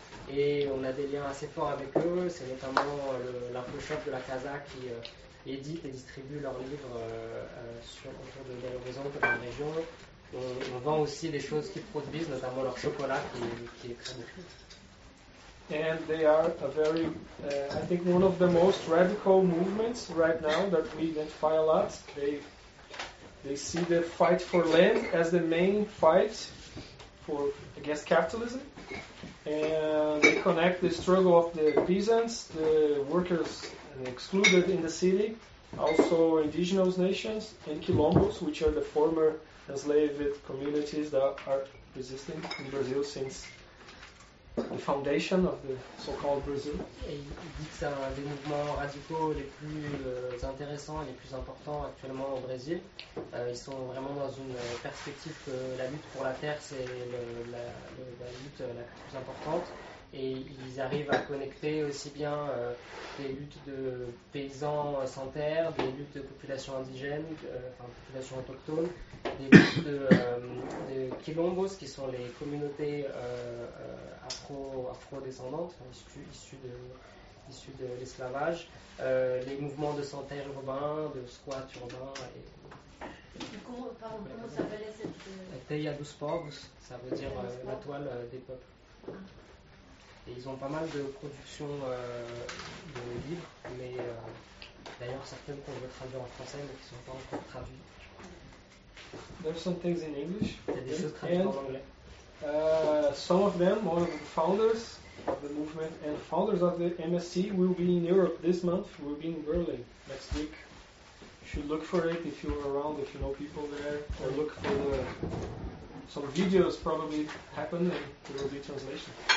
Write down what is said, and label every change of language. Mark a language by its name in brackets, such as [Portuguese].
[French] Et on a des liens assez forts avec eux. C'est notamment l'info-shop de la Casa qui édite et distribue leurs livres autour de Belo Horizonte dans la région. On vend aussi des choses qu'ils produisent, notamment leur chocolat qui est très bon. [English] And they are a very, I think, one of the most radical movements right now that we identify a lot. They see the fight for land as the main fight for against capitalism. And they connect the struggle of the peasants, the workers excluded in the city, also indigenous nations, and quilombos, which are the former enslaved communities that are resisting in Brazil since the foundation of the so-called Brazil. [French] Et il dit que c'est un des mouvements radicaux les plus intéressants et les plus importants actuellement au Brésil. Ils sont vraiment dans une perspective que la lutte pour la terre, c'est la lutte la plus importante. Et ils arrivent à connecter aussi bien des luttes de paysans sans terre, des luttes de populations indigènes, populations autochtones, des luttes de quilombos, qui sont les communautés afro-descendantes, issues de l'esclavage, les mouvements de sans terre urbains, de squats urbains. Et comment s'appelait cette... Theiados Povos, ça veut dire la toile des peuples. Et ils ont pas mal de productions de livres, mais d'ailleurs certaines qu'on veut traduire en français, mais qui ne sont pas encore traduites. [English] There's some things in English. [French] Il y a des choses traduites en anglais. [English] Some of them, one of the founders of the movement and founders of the MSC, will be in Europe this month. Will be in Berlin next week. You should look for it if you're around, if you know people there, or look for the. Some videos probably happen and there will be translation.